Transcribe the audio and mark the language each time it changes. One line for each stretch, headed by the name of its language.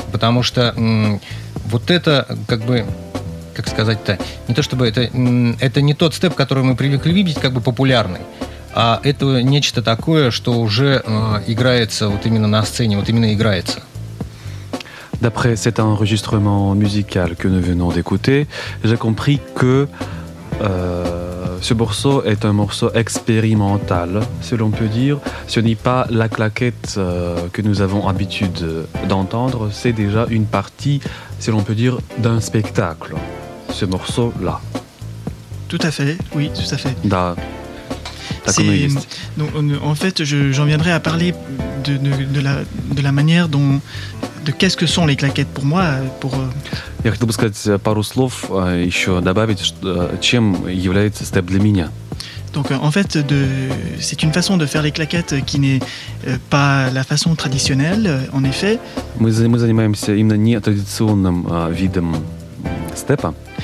Russian: Потому что вот это, как бы, как сказать-то, не то чтобы это не тот степ, который мы привыкли видеть, как бы популярный. А это нечто такое, что уже играется вот именно на сцене, вот именно играется.
French: D'après cet enregistrement musical que nous venons d'écouter, j'ai compris que ce morceau est un morceau expérimental, si l'on peut dire. Ce n'est pas la claquette que nous avons l'habitude d'entendre, c'est déjà une partie, si l'on peut dire, d'un spectacle, ce morceau-là. Tout à fait, oui, tout à fait. C'est, donc, en fait, j'en viendrai à parler de la manière dont... De qu'est-ce que sont les claquettes pour moi pour...
Russian: Я хотел бы сказать пару слов, еще добавить, чем является степ для меня.
French: Donc, en fait, c'est une façon de faire les claquettes qui n'est pas la façon traditionnelle, en effet.
Russian: Мы занимаемся именно не традиционным видом степа.